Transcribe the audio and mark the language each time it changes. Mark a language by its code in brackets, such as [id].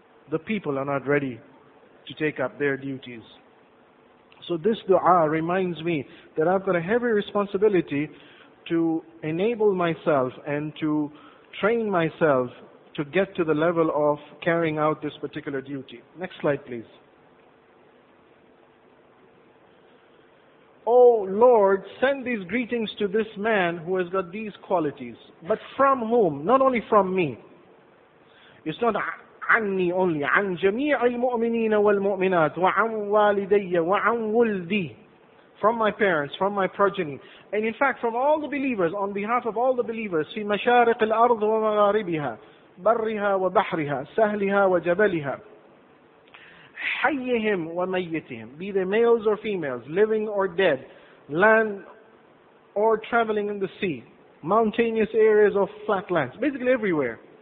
[en] The people are not ready to take up their duties. So this dua reminds me that I've got a heavy responsibility to enable myself and to train myself to get to the level of carrying out this particular duty. Next slide, please. Oh Lord, send these greetings to this man who has got these qualities. But from whom? Not only from me. It's not [ar] عني [en] only. [ar] عن جميع المؤمنين والمؤمنات وعن والدي وعن ولدي. [en] From my parents, from my progeny. And in fact, from all the believers, on behalf of all the believers, [ar] في مشارق الأرض ومغاربها برها وبحرها سهلها وجبلها. حيهم وميتهم. [en] Be they males or females, living or dead, land or traveling in the sea, mountainous areas or flat lands, basically everywhere.